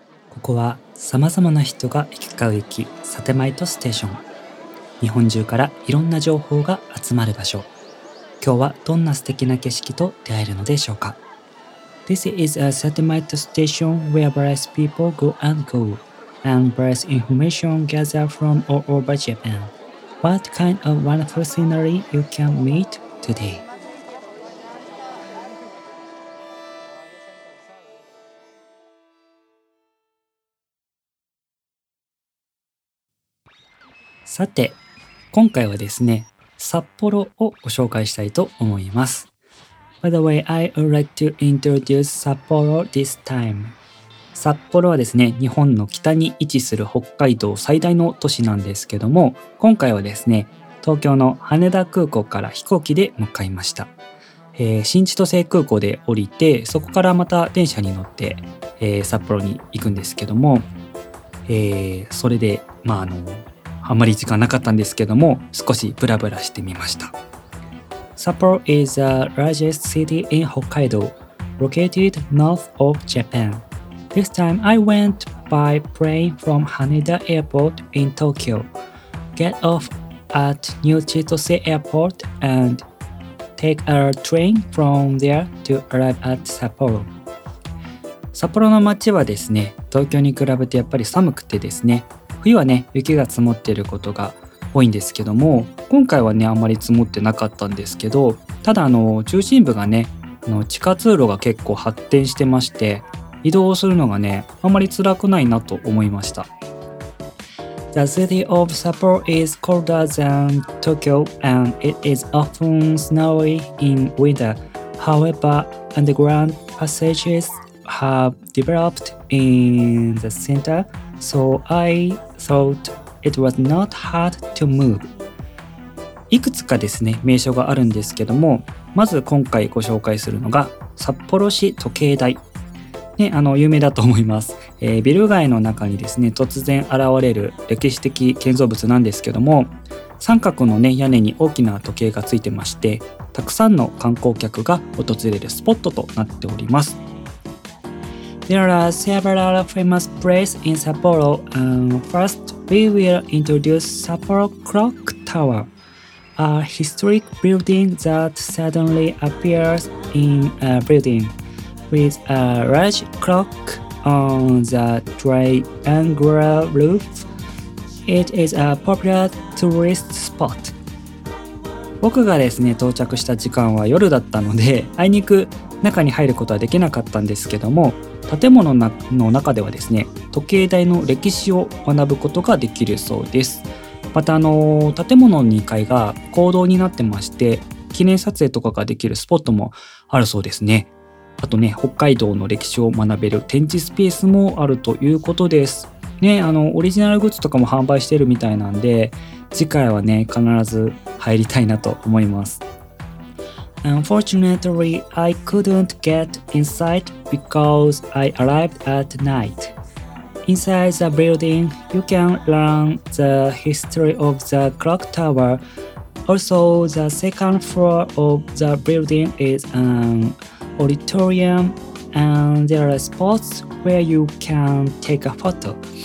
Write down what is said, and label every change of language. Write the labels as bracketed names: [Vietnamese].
[Japanese] ここは様々な人が行き交う駅、サテマイトステーション。日本中からいろんな情報が集まる場所。今日はどんな素敵な景色と出会えるのでしょうか。 [English] This is a satellite station where various people go and go, and various information gather from all over Japan. What kind of wonderful scenery you can meet today? [Japanese] さて、今回はですね、札幌をご紹介したいと思います。 [English] By the way, I would like to introduce Sapporo this time. [Japanese] 札幌はですね、日本の北に位置する北海道最大の都市なんですけども、今回はですね、東京の羽田空港から飛行機で向かいました。新千歳空港で降りて、そこからまた電車に乗って、札幌に行くんですけども、それで、まあ、あまり時間なかったんですけども、少しブラブラしてみました。 [English] 札幌 is the largest city in Hokkaido, located north of Japan. This time I went by plane from Haneda Airport in Tokyo, get off at New Chitose Airport and take a train from there to arrive at Sapporo. [Japanese] 札幌の街はですね、東京に比べてやっぱり寒くてですね、冬はね、雪が積もっていることが多いんですけども、今回はね、あまり積もってなかったんですけど、ただ中心部がね、地下通路が結構発展してまして、移動するのがね、あまり辛くないなと思いました。 [English] The city of Sapporo is colder than Tokyo and it is often snowy in winter. However, underground passages have developed in the center, so I thoughtIt was not hard to move. [Japanese] いくつかですね、名所があるんですけども、まず今回ご紹介するのが札幌市時計台、ね、有名だと思います。ビル街の中にですね、突然現れる歴史的建造物なんですけども、三角の、ね、屋根に大きな時計がついてまして、たくさんの観光客が訪れるスポットとなっております。 [English] There are several famous places in Sapporo. First, we will introduce Sapporo Clock Tower, a historic building that suddenly appears in a building with a large clock on the triangular roof. It is a popular tourist spot. [Japanese] 僕がですね、到着した時間は夜だったので、あいにく中に入ることはできなかったんですけども、建物の中ではですね、時計台の歴史を学ぶことができるそうです。また建物の2階が講堂になってまして、記念撮影とかができるスポットもあるそうですね。あとね、北海道の歴史を学べる展示スペースもあるということですね。オリジナルグッズとかも販売してるみたいなんで、次回はね、必ず入りたいなと思います。 [English] Unfortunately, I couldn't get inside because I arrived at night. Inside the building, you can learn the history of the clock tower. Also, the second floor of the building is an auditorium, and there are spots where you can take a photo.